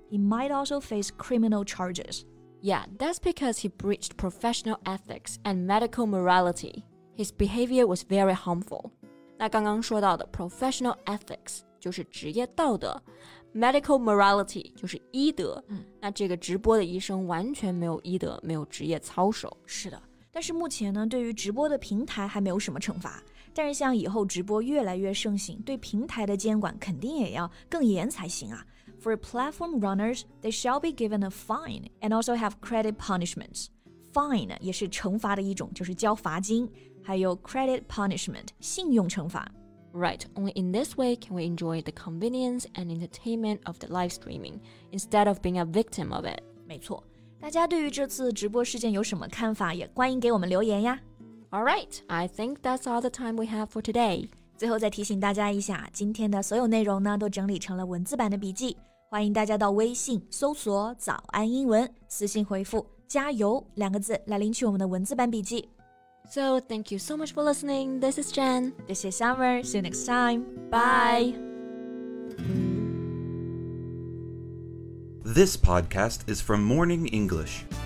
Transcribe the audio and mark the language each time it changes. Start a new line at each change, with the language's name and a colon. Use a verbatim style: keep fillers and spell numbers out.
English: He might also face criminal charges. Yeah, that's because he breached professional ethics and medical morality. His behavior was very harmful.
Chinese: 那刚刚说到的
English: professional ethics
Chinese: 就是职业道德，
English: medical morality
Chinese: 就是医德。嗯，那这个直播的医生完全没有医德，没有职业操守。是的。但是目前呢，对于直播的平台还没有什么惩罚，但是像以后直播越来越盛行，对平台的监管肯定也要更严才行啊。
English: For platform runners, they shall be given a fine and also have credit punishments.
Chinese: Fine 也是惩罚的一种，就是交罚金，还有
English: credit punishment
Chinese: 信用惩罚。
English: Right, only in this way can we enjoy the convenience and entertainment of the live streaming instead of being a victim of it.
Chinese: 没错。大家对于这次直播事件有什么看法，也欢迎给我们留言呀。
English: All right, I think that's all the time we have for today.
Chinese: 最后再提醒大家一下，今天的所有内容呢，都整理成了文字版的笔记，欢迎大家到微信搜索早安英文，私信回复加油两个字来领取我们的文字版笔记。
English: So, thank you so much for listening. This is Jen. This is Summer. See you next time. Bye. This podcast is from Morning English.